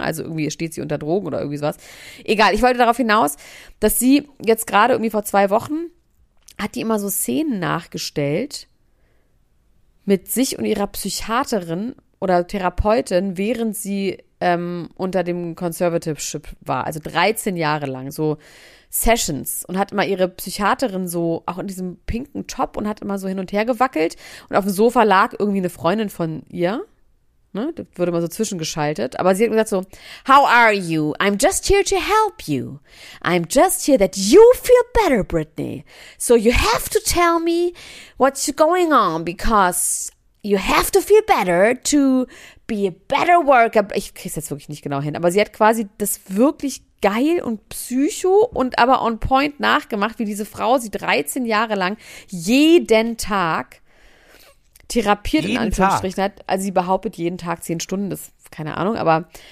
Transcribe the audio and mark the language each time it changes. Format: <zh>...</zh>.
<de>Also irgendwie steht sie unter Drogen oder irgendwie sowas. Egal, ich wollte darauf hinaus, dass sie jetzt gerade irgendwie vor 2 Wochen hat die immer so Szenen nachgestellt mit sich und ihrer Psychiaterin oder Therapeutin, während sie unter dem Conservatorship war, also 13 Jahre lang, so Sessions und hat immer ihre Psychiaterin so auch in diesem pinken Top und hat immer so hin und her gewackelt und auf dem Sofa lag irgendwie eine Freundin von ihr. Ne, das wurde mal so zwischengeschaltet. Aber sie hat gesagt so,</de> <en>how are you? I'm just here to help you. I'm just here that you feel better, Britney. So you have to tell me what's going on because you have to feel better to be a better worker.</en> <de>Ich krieg's jetzt wirklich nicht genau hin. Aber sie hat quasi das wirklich geil und psycho und aber on point nachgemacht, wie diese Frau sie 13 Jahre lang jeden Tag therapiert jeden in Anführungsstrichen Tag. Hat, also sie behauptet jeden Tag 10 Stunden, das ist keine Ahnung, aber</de>